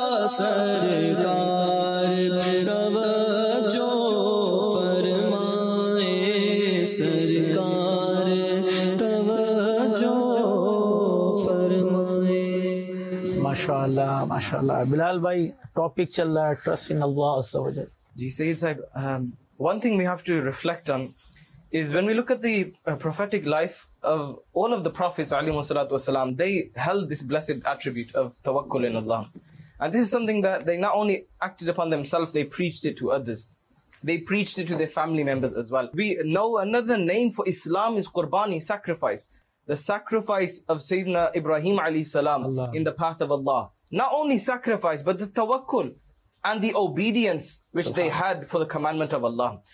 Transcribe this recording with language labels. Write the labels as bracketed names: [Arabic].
[Urdu] سرکار توجہ فرمائے سرکار توجہ فرمائے ماشاءاللہ ماشاءاللہ بلال بھائی ٹاپک چل رہا ہے [English] trust in Allah [Urdu] عز و جل جی سید صاحب [English] One thing we have to reflect on is when we look at the prophetic life of all of the prophets علیہم الصلوۃ والسلام they held this blessed attribute of توکل in Allah. And this is something that they not only acted upon themselves, they preached it to others. They preached it to their family members as well. We know another name for Islam is Qurbani, sacrifice. The sacrifice of Sayyidina Ibrahim alayhi salam in the path of Allah. Not only sacrifice, but the tawakkul and the obedience which they had for the commandment of Allah.